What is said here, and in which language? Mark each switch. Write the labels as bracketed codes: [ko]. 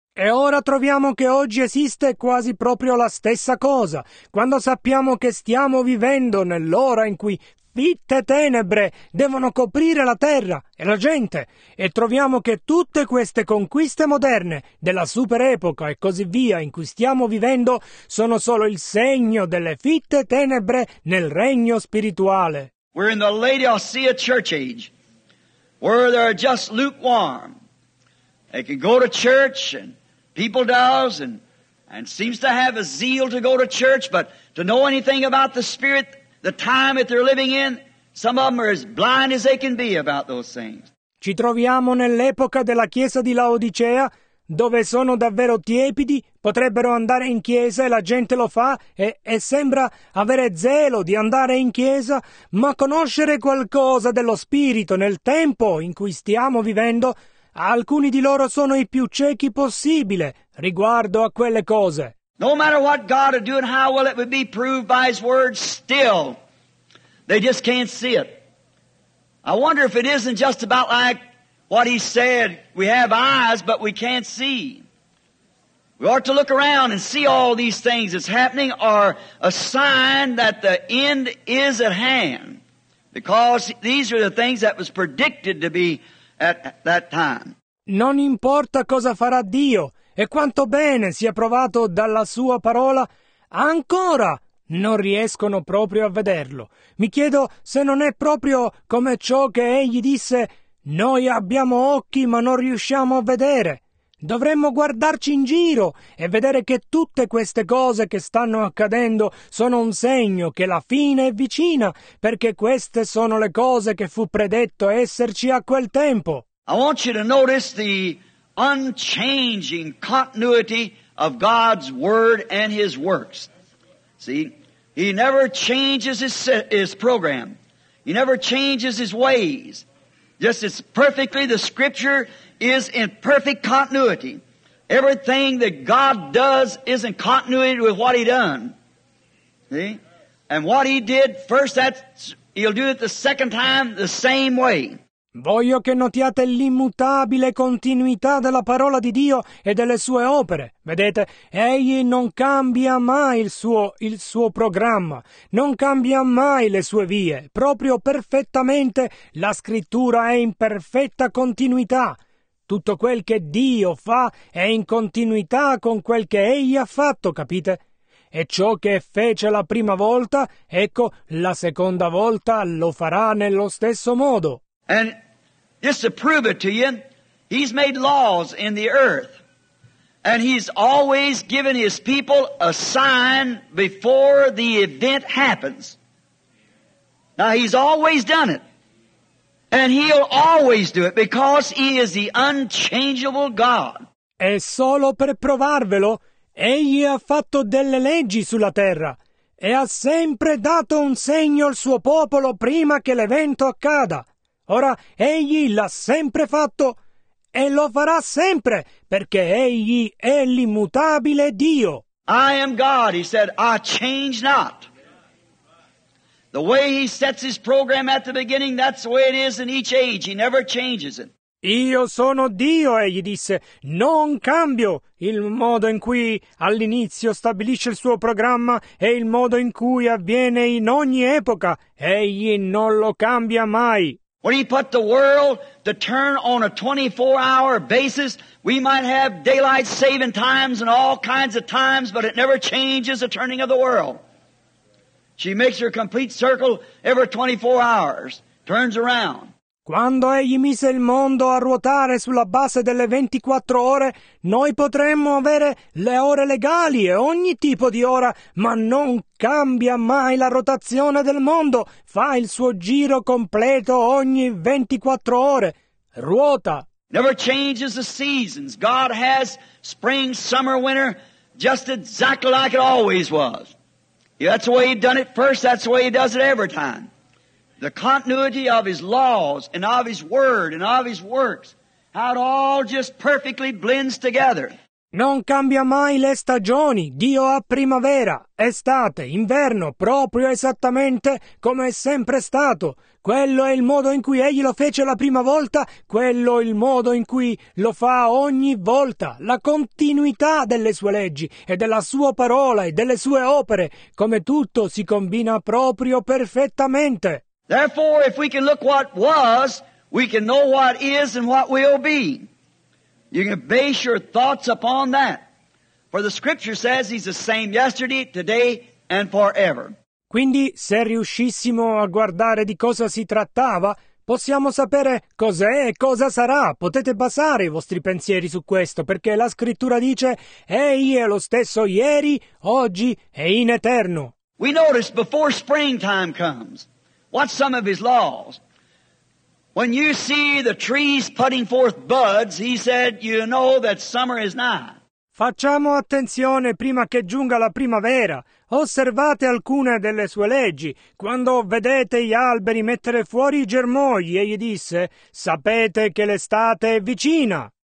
[it] E ora troviamo che oggi esiste quasi proprio la stessa cosa. Quando sappiamo che stiamo vivendo nell'ora in cui fitte tenebre devono coprire la terra e la gente, e troviamo che tutte queste conquiste moderne della super epoca e così via in cui stiamo vivendo sono solo il segno delle fitte tenebre nel regno spirituale. [en] We're in the Laodicea church age, where they're just lukewarm. They can go to church, and people does, and seems to have a zeal to go to church, but to know anything about the Spirit, the time that they're living in, some of them are as blind as they can be about those things. [it] Ci troviamo nell'epoca della chiesa di Laodicea, dove sono davvero tiepidi, potrebbero andare in chiesa e la gente lo fa e sembra avere zelo di andare in chiesa, ma conoscere qualcosa dello spirito nel tempo in cui stiamo vivendo, alcuni di loro sono i più ciechi possibile riguardo a quelle cose. [en] No matter what God would do and how well it would be proved by His Word, still, they just can't see it. I wonder if it isn't just about like what He said, we have eyes, but we can't see. We ought to look around and see all these things that's happening are a sign that the end is at hand. Because these are the things that was predicted to be at that time. [it] Non importa cosa farà Dio e quanto bene sia provato dalla sua parola, ancora non riescono proprio a vederlo. Mi chiedo se non è proprio come ciò che egli disse: noi abbiamo occhi ma non riusciamo a vedere. Dovremmo guardarci in giro e vedere che tutte queste cose che stanno accadendo sono un segno che la fine è vicina, perché queste sono le cose che fu predetto esserci a quel tempo. [en] I want you to notice the unchanging continuity of God's word and his works. See, he never changes his program. He never changes his ways. Just as perfectly, the scripture is in perfect continuity. Everything that God does is in continuity with what he done. See? And what he did first, he'll do it the second time the same way. [it] Voglio che notiate l'immutabile continuità della parola di Dio e delle sue opere. Vedete, egli non cambia mai il suo programma, non cambia mai le sue vie. Proprio perfettamente la scrittura è in perfetta continuità. Tutto quel che Dio fa è in continuità con quel che egli ha fatto, capite? E ciò che fece la prima volta, ecco, la seconda volta lo farà nello stesso modo. [en] And just to prove it to you, he's made laws in the earth, and he's always given his people a sign before the event happens. Now, he's always done it, and he'll always do it because he is the unchangeable God. [it] E solo per provarvelo, egli ha fatto delle leggi sulla terra e ha sempre dato un segno al suo popolo prima che l'evento accada. Ora, egli l'ha sempre fatto e lo farà sempre, perché egli è l'immutabile Dio. [en] I am God, he said, I change not. The way he sets his program at the beginning, that's the way it is in each age. He never changes it. [it] Io sono Dio, egli disse, non cambio. Il modo in cui all'inizio stabilisce il suo programma e il modo in cui avviene in ogni epoca, egli non lo cambia mai. [en] When he put the world to turn on a 24-hour basis, we might have daylight saving times and all kinds of times, but it never changes the turning of the world. She makes her complete circle every 24 hours, turns around. [it] Quando egli mise il mondo a ruotare sulla base delle 24 ore, noi potremmo avere le ore legali e ogni tipo di ora, ma non cambia mai la rotazione del mondo. Fa il suo giro completo ogni 24 ore. Ruota. [en] Never changes the seasons. God has spring, summer, winter, just exactly like it always was. Yeah, that's the way he done it first, that's the way he does it every time. The continuity of his laws and of his word and of his works, how it all just perfectly blends together. [it] Non cambia mai le stagioni. Dio ha primavera, estate, inverno, proprio esattamente come è sempre stato. Quello è il modo in cui egli lo fece la prima volta, quello è il modo in cui lo fa ogni volta. La continuità delle sue leggi e della sua parola e delle sue opere, come tutto si combina proprio perfettamente. [en] Therefore, if we can look what was, we can know what is and what will be. You can base your thoughts upon that. For the scripture says he's the same yesterday, today, and forever. [it] Quindi, se riuscissimo a guardare di cosa si trattava, possiamo sapere cos'è e cosa sarà. Potete basare i vostri pensieri su questo, perché la scrittura dice, egli è lo stesso ieri, oggi e in eterno. [en] We notice before springtime comes. What's some of his laws? When you see the trees putting forth buds, he said, you know that summer is nigh. [it] Facciamo attenzione prima che giunga la primavera. Osservate alcune delle sue leggi. Quando vedete gli alberi mettere fuori i germogli, egli disse, sapete che l'estate è vicina.